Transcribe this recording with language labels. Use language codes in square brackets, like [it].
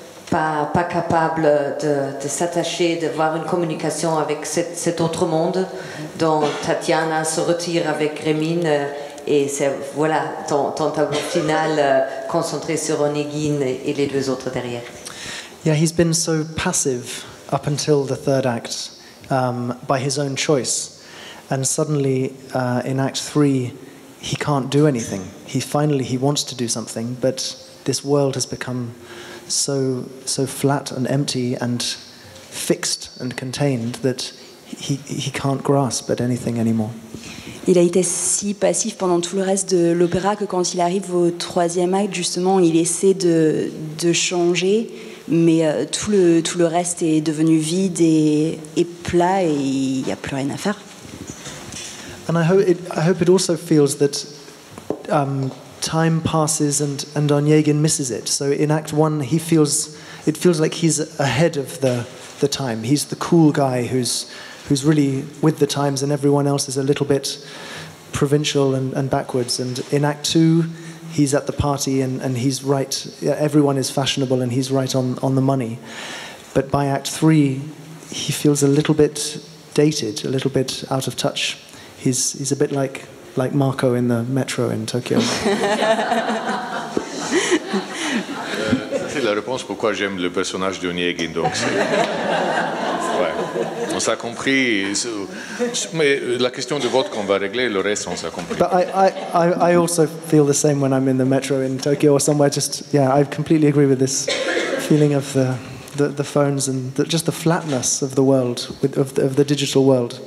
[fr] Pas capable de s'attacher, d'avoir une communication avec cet autre monde dont Tatiana se retire avec Rémin, et c'est, voilà, ton tableau final concentré sur Onegin et les deux autres derrière. [en] Yeah, he's been so passive up until the third act by his own choice, and suddenly in act three he can't do anything. He wants to do something, but this world has become so flat and empty and fixed and contained that he can't grasp at anything anymore. Il a été si passif pendant tout le reste de l'opéra que quand il arrive au troisième acte, justement, il essaie de changer, mais tout le reste est devenu vide et plat, et il n'y a plus rien à faire. And I hope it also feels that time passes and Onegin misses it. So in Act One, it feels like he's ahead of the time. He's the cool guy who's really with the times, and everyone else is a little bit provincial and backwards. And in Act Two, he's at the party and he's right. Everyone is fashionable and he's right on the money. But by Act Three, he feels a little bit dated, a little bit out of touch. He's a bit like Marco in the metro in Tokyo. [fr] C'est la réponse pourquoi j'aime le personnage de Onegin. Donc, ouais. On s'est compris. Mais la question de vote qu'on va régler, le reste, on s'est compris. [en] But I also feel the same when I'm in the metro in Tokyo or somewhere. Just, yeah, I completely agree with this feeling of the phones and just the flatness of the world, of the digital world.